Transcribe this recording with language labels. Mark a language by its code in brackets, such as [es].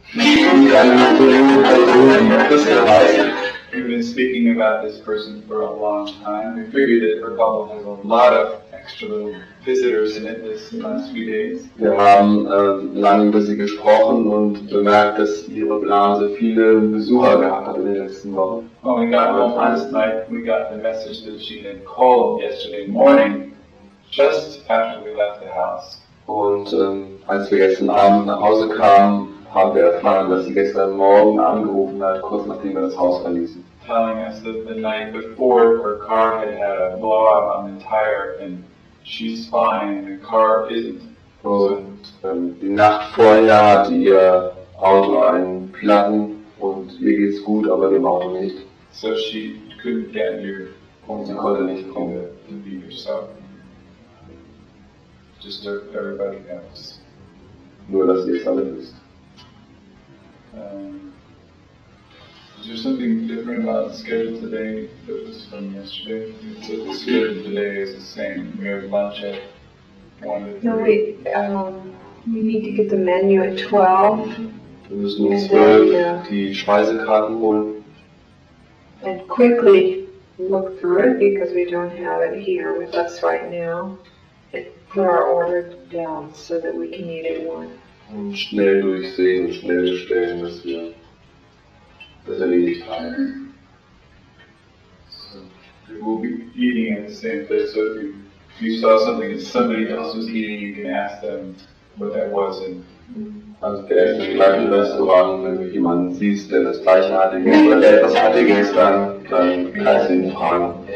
[en] We've been speaking about this person for a long time. We figured that her bubble has a lot of extra little visitors in it this last few days. [de] Wir haben lange über sie gesprochen und bemerkt, dass ihre Blase viele Besucher gehabt hat in den letzten Wochen. [en] When we got home last night, we got the message that she had called yesterday morning, just after we left the house. [de] Und als wir gestern Abend nach Hause kamen, haben wir erfahren, dass sie gestern Morgen angerufen hat, kurz nachdem wir das Haus verließen. [en] telling us that the night before her car had had a blowout on the tire and she's fine and the car isn't. [de] Und die Nacht vorher hatte ihr Auto einen Platten und ihr geht's gut, aber dem Auto nicht. [en] So she couldn't get here. [de] Und sie konnte nicht kommen. [en] To be yourself. Just everybody else. [de] Nur, dass ihr es alle wisst. [en] Is there something different about the schedule today that was from yesterday? So the schedule today is the same. We have lunch at 1:00. No, wait. We need to get the menu at 12. [de] Wir müssen um 12 die Speisekarten holen. [en] And quickly look through it because we don't have it here with us right now. Put our order down so that we can eat at 1. [de] Und schnell durchsehen, schnell bestellen, dass wir das erledigt haben. [en] So, we will be eating at the same place. So if you saw something and somebody else was eating, you can ask them what that was. [de] Also der ist im gleichen Restaurant, wenn du jemanden siehst, der das gleiche hatte oder der etwas hatte gestern, dann kannst du ihn fragen.